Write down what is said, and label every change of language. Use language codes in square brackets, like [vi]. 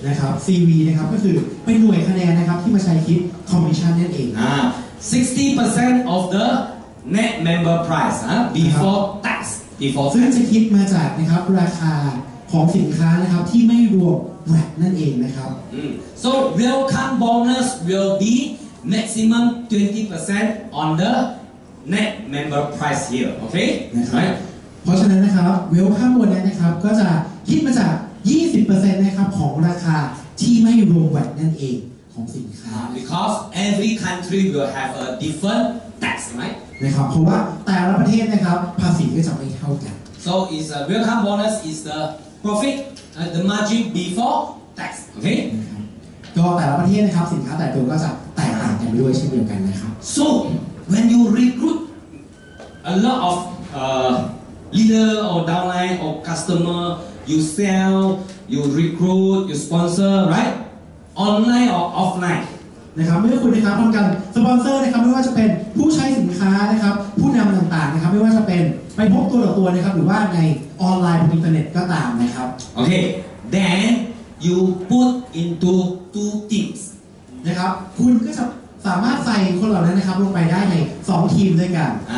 [th] นะครับ CV นะครับก็คือเป็นหน่วยคะแนนนะครับที่มาใช้คิดคอมมิชชั่นนั่นเอง [en] 60% of the net member price before tax before [th] ซึ่งจะคิดมาจากนะครับราคาของสินค้านะครับที่ไม่รวมแวดนั่นเองนะครับ [en] So welcome bonus will be maximum 20% on the net member price here okay [th] right เพราะฉะนั้นนะครับ welcome bonus นะครับก็จะคิดมาจาก 20% นะครับของราคาที่ไม่รวมแวดนั่นเองของสินค้า [en] because every country will have a different tax right [th] นะครับเพราะว่าแต่ละประเทศนะครับภาษีก็จะไม่เท่ากัน [en] So is a welcome bonus is theprofit at the margin before tax okay [th] ก็แต่ละประเทศนะครับสินค้าแต่ละตัวก็จะแตกต่างกันด้วยเช่นเดียวกันนะครับ [en] so when you recruit a lot of leader or downline or customer you sell you recruit you sponsor right online or offline [th] นะครับไม่ว่าคุณนะครับทำกันสปอนเซอร์นะครับไม่ว่าจะเป็นผู้ใช้สินค้านะครับผู้นำต่างๆนะครับไม่ว่าจะเป็นไปพบตัวต่อตัวนะครับหรือว่าในออนไลน์บนอินเทอร์เน็ตก็ตามนะครับ [en] โอเค then you put into two teams [th] นะครับคุณก็จะสามารถใส่คนเหล่านั้นนะครับลงไปได้ใน2ทีมด้วยกัน